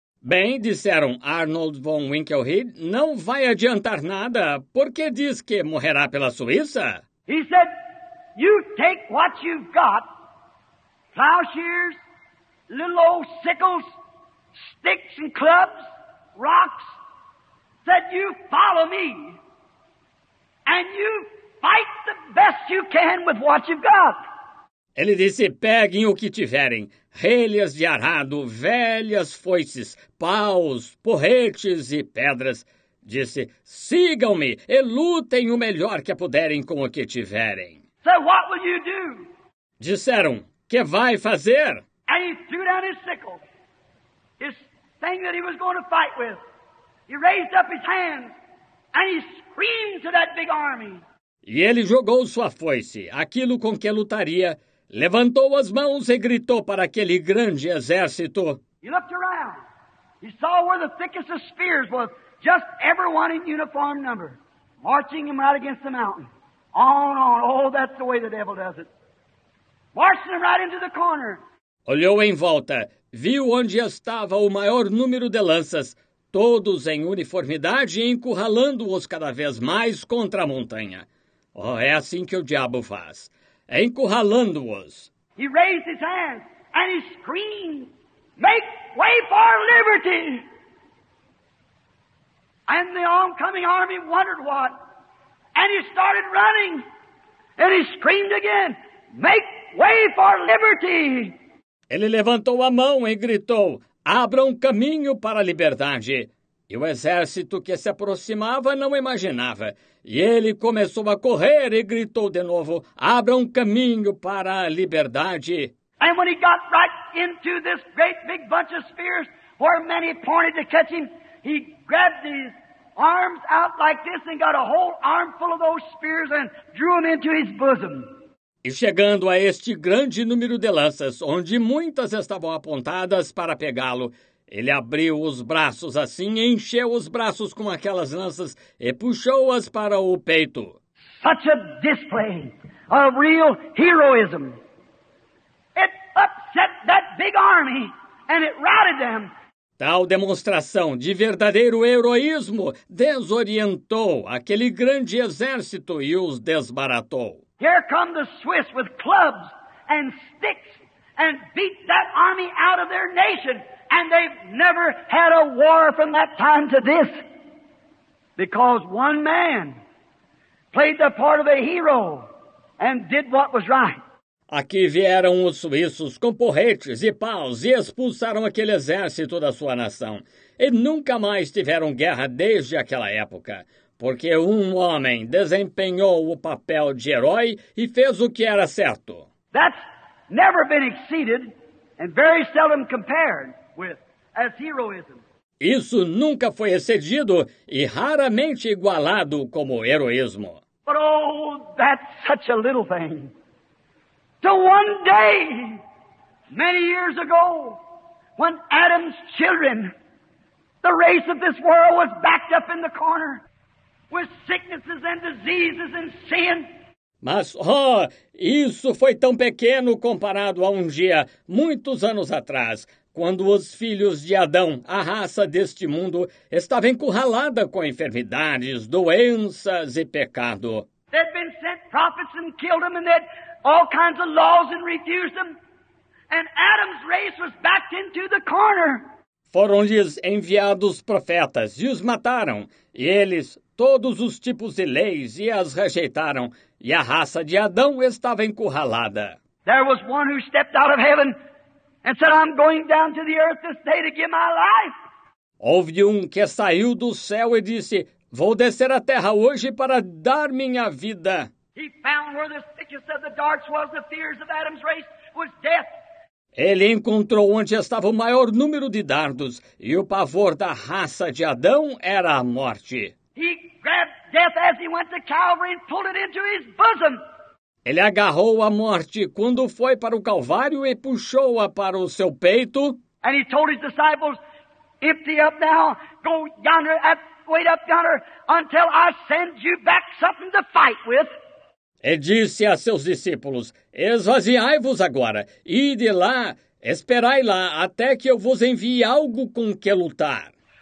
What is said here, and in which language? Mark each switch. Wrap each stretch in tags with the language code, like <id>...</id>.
<pt>Bem, disseram Arnold von Winkelried, não vai adiantar nada, porque diz que morrerá pela Suíça.</pt> <en>He said, you take what you've got, plowshares, little old sickles, sticks and clubs, rocks, said you follow me, and you fight the best you can with what you've got.</en> <pt>Ele disse, peguem o que tiverem, relhas de arado, velhas foices, paus, porretes e pedras. Disse, sigam-me e lutem o melhor que puderem com o que tiverem.</pt> <en>So what will you do?</en> <pt>Disseram, que vai fazer?</pt> <en>And he threw down his sickle, his thing that he was going to fight with. He raised up his hands and he screamed to that big army.</en> <pt>E ele jogou sua foice, aquilo com que lutaria. Levantou as mãos e gritou para aquele grande exército.</pt> <en>He looked around. He saw where the thickest of spears was, just everyone in uniform number, marching him right against the mountain. On. Oh, that's the way the devil does it. Marching him right into the corner.</en> <pt>Olhou em volta, viu onde estava o maior número de lanças, todos em uniformidade, encurralando-os cada vez mais contra a montanha. Oh, é assim que o diabo faz. Encurralando-os.</pt> <en>He raised his hands and he screamed, make way for liberty! And the oncoming army wondered what. And he started running and he screamed again, make way for liberty!</en> <pt>Ele levantou a mão e gritou, abra um caminho para a liberdade. E o exército que se aproximava não imaginava. E ele começou a correr e gritou de novo, abra um caminho para a liberdade.</pt> <en>And when he got right into this great big bunch of spears, where many pointed to catch him, he grabbed his arms out like this and got a whole armful of those spears and drew them into his bosom.</en> <pt>E chegando a este grande número de lanças, onde muitas estavam apontadas para pegá-lo, ele abriu os braços assim, encheu os braços com aquelas lanças e puxou-as para o peito.</pt> <en>Such a display of real heroism. It upset that big army and it routed them.</en> <pt>Tal demonstração de verdadeiro heroísmo desorientou aquele grande exército e os desbaratou.</pt> <en>Here come the Swiss with clubs and sticks and beat that army out of their nation. And they've never had a war from that time to this. Because one man played the part of a hero and did what was right.</en> <pt>Aqui vieram os suíços com porretes e paus e expulsaram aquele exército da sua nação. E nunca mais tiveram guerra desde aquela época. Porque um homem desempenhou o papel de herói e fez o que era certo.</pt> <en>That's never been exceeded and very seldom compared. With, as heroism.</en> <pt>Isso nunca foi excedido e raramente igualado como heroísmo.</pt> <en>But oh, that's such a little thing. So one day, many years ago, when Adam's children, the race of this world was backed up in the corner with sicknesses and diseases and sin.</en> <pt>Mas, oh, isso foi tão pequeno comparado a um dia, muitos anos atrás, quando os filhos de Adão, a raça deste mundo, estava encurralada com enfermidades, doenças e pecado.</pt> <en>They'd been sent prophets and killed them, and they'd all kinds of laws and refused them. And Adam's race was backed into the corner.</en> <pt>Foram-lhes enviados profetas e os mataram. E eles, todos os tipos de leis, e as rejeitaram. E a raça de Adão estava encurralada.</pt> <en>There was one who stepped out of heaven. And said, I'm going down to the earth this day to give my life.</en> <pt>Houve um que saiu do céu e disse, vou descer à terra hoje para dar minha vida.</pt> <en>He found where the sickest of the darts was, the fears of Adam's race was death.</en> <pt>Ele encontrou onde estava o maior número de dardos, e o pavor da raça de Adão era a morte.</pt> <en>He grabbed death as he went to Calvary and pulled it into his bosom.</en> <pt>Ele agarrou a morte quando foi para o Calvário e puxou-a para o seu peito.</pt> <en>And he told his disciples, empty up now, go yonder, wait up yonder, until I send you back something to fight with.</en> <pt>E disse a seus discípulos, esvaziai-vos agora, ide lá, Esperai lá até que eu vos envie algo com que lutar.</pt>